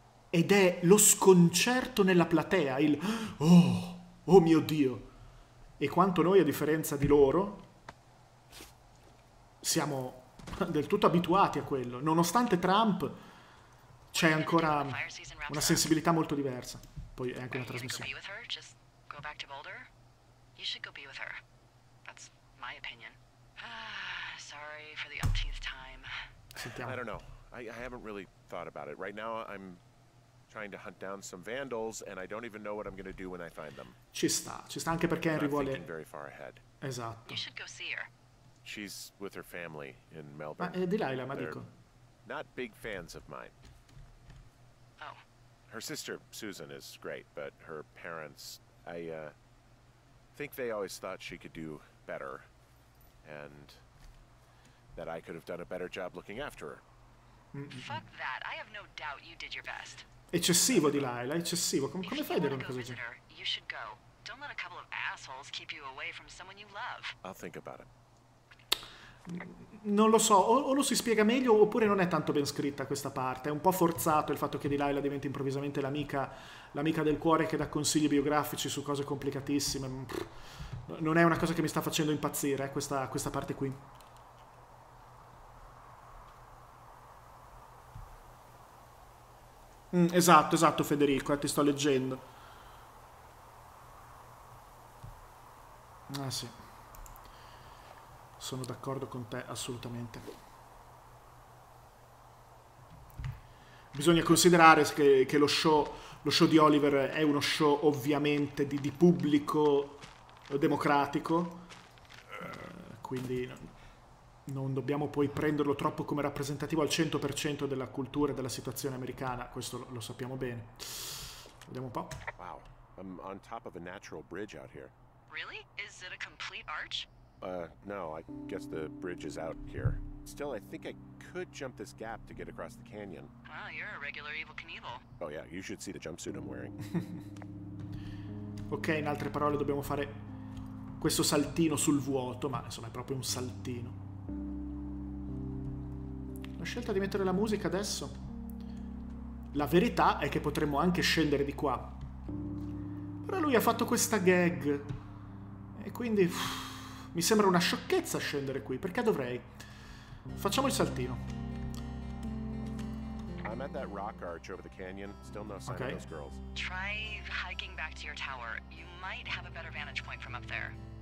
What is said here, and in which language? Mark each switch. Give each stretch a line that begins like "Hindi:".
Italian: ed è lo sconcerto nella platea, il oh mio Dio, e quanto noi, a differenza di loro, siamo del tutto abituati a quello, nonostante Trump c'è ancora una sensibilità molto diversa. Poi è anche una trasmissione.
English: Back to Boulder? You should go be with her. That's my opinion. Sorry for the umpteenth time. I don't know. I haven't really thought about it. Right now I'm trying to hunt down some vandals and I don't even know what I'm going to do when I find them.
Italian: Ci sta anche perché Henry vuole...
English: thinking very far ahead.
Italian: Esatto.
English: You should go see her. She's with her family in Melbourne.
Italian: Ma Delilah, ma dico.
English: Not big fans of mine. Oh. Her sister, Susan, is great, but her parents... I think they always thought she could do better and that I could have done a better job looking after her. Fuck that. I have no doubt you did your best.
Italian: Eccessivo, Delilah, eccessivo. Come fai a dire una cosa del genere?
English: You should go. Don't let a couple of assholes keep you away from someone you love. I'll think about it.
Italian: Non lo so, o lo si spiega meglio oppure non è tanto ben scritta questa parte. È un po' forzato il fatto che Delilah diventi improvvisamente l'amica del cuore che dà consigli biografici su cose complicatissime. Non è una cosa che mi sta facendo impazzire, questa parte qui. Esatto, Federico, ti sto leggendo. Ah sì. Sono d'accordo con te, assolutamente. Bisogna considerare che lo show di Oliver è uno show ovviamente di pubblico democratico, quindi non dobbiamo poi prenderlo troppo come rappresentativo al 100% della cultura e della situazione americana, questo lo sappiamo bene. Vediamo un po'.
English: Wow, I'm on top of a natural bridge out here. Really? Is it a complete arch? No, I guess the bridge is out here. Still, I think I could jump this gap to get across the canyon. Wow, you're a regular Evel Knievel. Oh yeah, you should see the jumpsuit I'm wearing.
Italian: Ok, in altre parole dobbiamo fare questo saltino sul vuoto, ma insomma è proprio un saltino. La scelta di mettere la musica adesso? La verità è che potremmo anche scendere di qua. Però lui ha fatto questa gag. E quindi... mi sembra una sciocchezza scendere qui, perché dovrei? Facciamo il saltino.
English: I'm at that rock arch over the canyon. Still no sign of those girls. Try hiking back to your tower. You might have a better vantage point from up there.